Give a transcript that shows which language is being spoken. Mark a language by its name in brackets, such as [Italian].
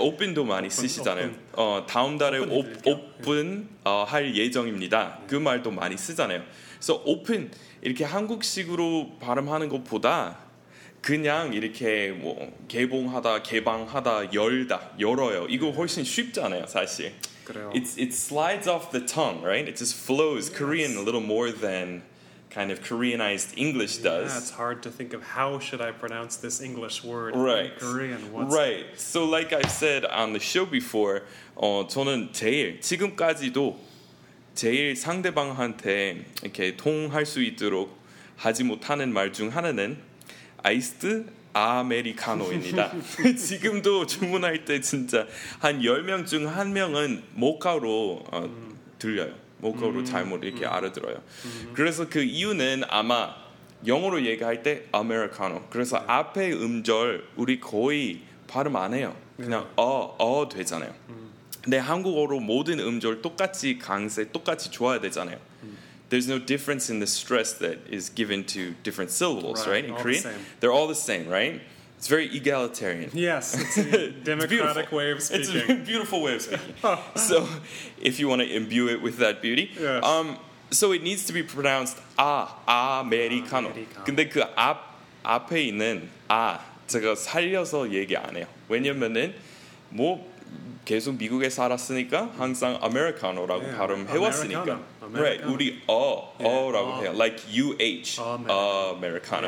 [Korean] open도 많이 open, 쓰시잖아요. Open. 다음 달에 open 네. 할 예정입니다. 네. 그 말도 많이 쓰잖아요. so open 이렇게 한국식으로 발음하는 것보다 그냥 이렇게 뭐 개봉하다 개방하다 열다 열어요. 이거 훨씬 쉽잖아요, 사실. 그래요. [English] it slides off the tongue, right? it just flows yes. Korean a little more than kind of Koreanized English does. Yeah, it's hard to think of how should I pronounce this English word right. in Korean. What's right. That? So like I said on the show before, [Korean] 저는 제일, 지금까지도 제일 상대방한테 이렇게 통할 수 있도록 하지 못하는 말 중 하나는 아이스트 아메리카노입니다. 지금도 주문할 때 진짜 한 10명 중 한 명은 모카로 들려요. 모카로 잘못 이렇게 알아들어요. 그래서 그 이유는 아마 영어로 얘기할 때 아메리카노. 그래서 네. 앞에 음절 우리 거의 발음 안 해요. 그냥 되잖아요. 근데 한국어로 모든 음절 똑같이 강세 똑같이 좋아야 되잖아요. [English] There's no difference in the stress that is given to different syllables, right? right? In all Korean, the they're all the same, right? It's very egalitarian. Yes, it's a democratic way of speaking. It's a beautiful way of speaking. So, if you want to imbue it with that beauty. Yes. So, it needs to be pronounced Americano. [Korean] 근데 그 앞에 있는 아, 제가 살려서 얘기 안 해요. 왜냐면은 뭐 계속 미국에 살았으니까 항상 Americano라고 yeah. 발음해왔으니까. [English] Americano. Right, [Korean] 우리 어라고 해요. [English] Like UH, Americano.